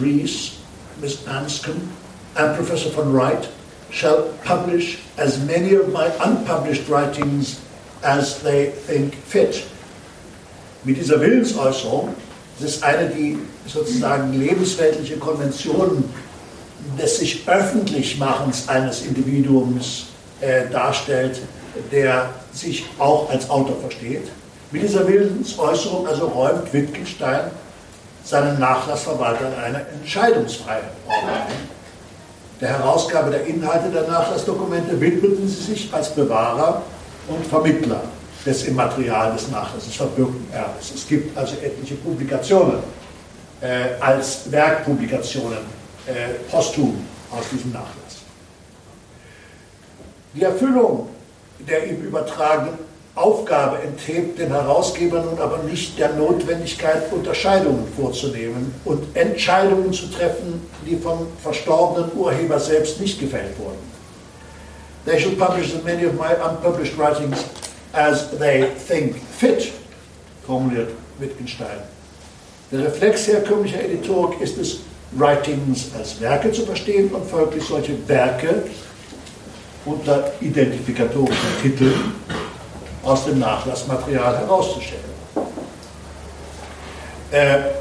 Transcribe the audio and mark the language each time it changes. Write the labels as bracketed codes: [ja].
[en] Rees, Miss Anscombe and Professor von Wright shall publish as many of my unpublished writings as they think fit. [de] Mit dieser Willensäußerung, das ist eine, die sozusagen lebensweltliche Konvention des sich öffentlich Machens eines Individuums darstellt, der sich auch als Autor versteht. Mit dieser Willensäußerung also räumt Wittgenstein seinen Nachlassverwalter einer Entscheidungsfreiheit ein. Der Herausgabe der Inhalte der Nachlassdokumente widmeten sie sich als Bewahrer und Vermittler des im Material des Nachlasses verbürgten Erbes. Es gibt also etliche Publikationen als Werkpublikationen posthum aus diesem Nachlass. Die Erfüllung der ihm übertragenen Aufgabe enthebt den Herausgeber nun aber nicht der Notwendigkeit, Unterscheidungen vorzunehmen und Entscheidungen zu treffen, die vom verstorbenen Urheber selbst nicht gefällt wurden. [en] They should publish as many of my unpublished writings as they think fit, [de] formuliert Wittgenstein. Der Reflex herkömmlicher Editorik ist es, Writings als Werke zu verstehen und folglich solche Werke unter identifikatorischen Titeln aus dem Nachlassmaterial herauszustellen.